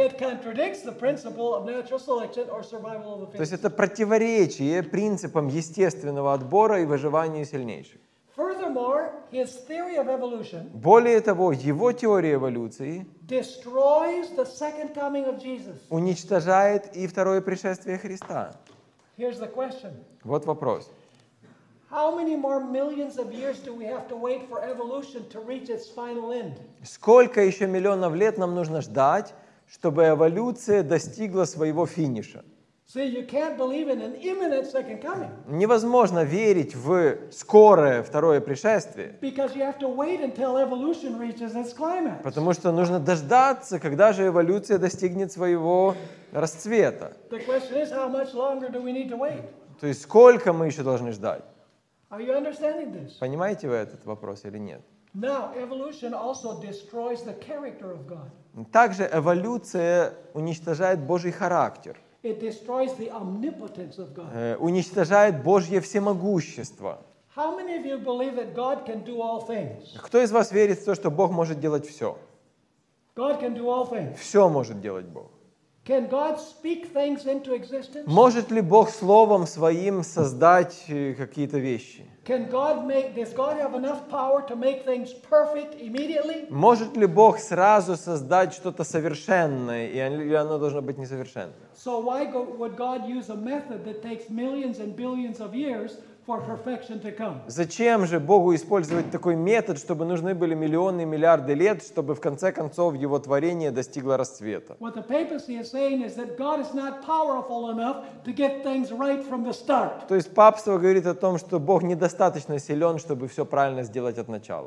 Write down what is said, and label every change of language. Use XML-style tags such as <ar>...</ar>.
<en>It contradicts the principle of natural selection or survival of the fittest.</en> <ru>То есть это противоречие принципам естественного отбора и выживания сильнейших.</ru> <en>Furthermore, his theory of evolution.</en> <ru>Более того, его теория эволюции.</ru> <en>Destroys the second coming of Jesus.</en> <ru>Уничтожает и второе пришествие Христа.</ru> <en>Here's the question.</en> <ru>Вот вопрос.</ru> <en>How many more millions of years do we have to wait for evolution to reach its final end?</en> <ru>Сколько еще миллионов лет нам нужно ждать, чтобы эволюция достигла своего финиша?</ru> <en>See, you can't believe in an imminent second coming.</en> <ru>Невозможно верить в скорое второе пришествие.</ru> <en>Because you have to wait until evolution reaches its climax.</en> <ru>Потому что нужно дождаться, когда же эволюция достигнет своего расцвета.</ru> <en>The question is, how much longer do we need to wait?</en> <ru>То есть сколько мы еще должны ждать?</ru> <en>Are you understanding this?</en> <ru>Понимаете вы этот вопрос или нет?</ru> <en>Now, evolution also destroys the character of God.</en> <ru>Также эволюция уничтожает Божий характер.</ru> <en>It destroys the omnipotence of God.</en> <ru>Уничтожает Божье всемогущество.</ru> <en>How many of you believe that God can do all things?</en> <ru>Кто из вас верит в то, что Бог может делать все?</ru> <en>God can do all things.</en> <ru>Все может делать Бог.</ru> <en>Can God speak things into existence?</en> <ru>Может ли Бог словом своим создать какие-то вещи?</ru> <en>Can God make, does God have enough power to make things perfect immediately?</en> <ru>Может ли Бог сразу создать что-то совершенное, и оно должно быть несовершенным?</ru> <en>So why would God use a method that takes millions and billions of years for perfection to come?</en> <ru>Зачем же Богу использовать такой метод, чтобы нужны были миллионы и миллиарды лет, чтобы в конце концов его творение достигло расцвета?</ru> <en>What the papacy is saying is that God is not powerful enough to get things right from the start.</en> <ru>То есть папство говорит о том, что Бог недостаточно силен, чтобы все правильно сделать от начала.</ru>